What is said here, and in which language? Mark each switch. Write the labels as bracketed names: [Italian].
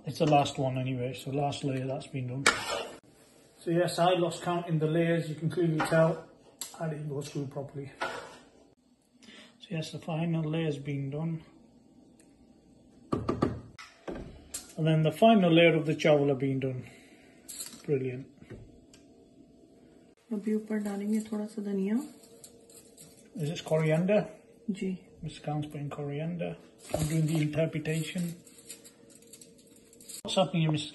[English] It's the last one anyway, so last layer that's been done. So yes, I lost count in the layers, you can clearly tell I didn't go through properly. So yes, the final layer's been done. And then the final layer of the chowl have been done. Brilliant. [Hindi] अभी ऊपर डालेंगे थोड़ा सा धनिया. [English] Is this coriander? [Hindi] Ji. [English] Miss Khan's putting coriander. I'm doing the interpretation. What's happening here, Mrs.